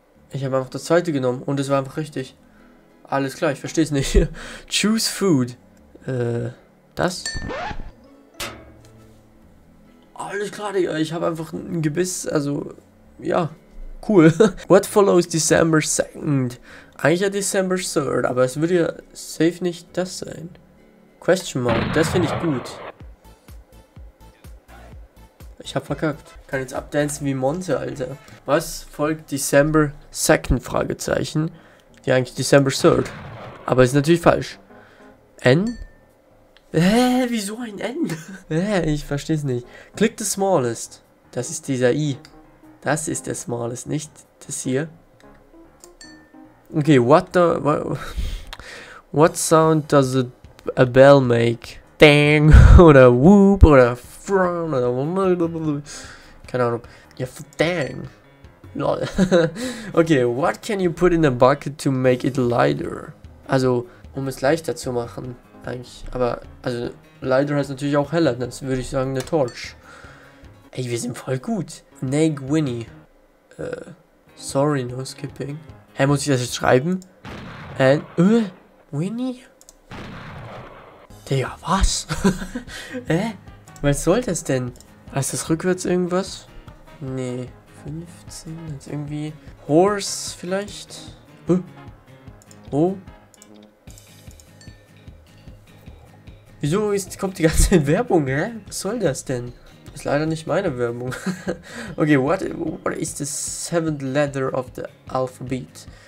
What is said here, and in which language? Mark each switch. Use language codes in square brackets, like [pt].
[de] Ich habe einfach das zweite genommen und es war einfach richtig. Alles klar, ich verstehe es nicht. [en] Choose food. [de] Das? Alles klar, Digga. Ich habe einfach ein Gebiss, also, ja, cool. [en] What follows December 2nd? [de] Eigentlich ja December 3rd, aber es würde ja safe nicht das sein. [en] Question mark, [de] das finde ich gut. Ich hab verkackt. Kann jetzt updancen wie Monte, Alter. Was folgt December 2nd? Fragezeichen. Ja, eigentlich December 3rd. Aber ist natürlich falsch. N? Hä? Wieso ein N? Hä? Ich versteh's nicht. [en] Click the smallest. [de] Das ist dieser I. Da Das ist der Smallest, nicht das hier. [en] Okay, what the... What sound does a bell make? [de] Dang, oder whoop, oder frown, oder... Keine Ahnung. Ja, dang. Lol. [en] Okay, what can you put in a bucket to make it lighter? [de] Also, um es leichter zu machen, eigentlich. Aber, also, lighter heißt natürlich auch heller. Das würde ich sagen, eine Torch. Ey, wir sind voll gut. Nag Winnie. [en] Sorry, no skipping. [de] Hä, muss ich das jetzt schreiben? Winnie? Digga, was? Hä? Was soll das denn? Heißt das rückwärts irgendwas? Nee. 15, jetzt irgendwie. Horse vielleicht? Oh. Wieso kommt die ganze Werbung, hä? Was soll das denn? Ist leider nicht meine Werbung. [en] Okay, what is the seventh letter of the alphabet?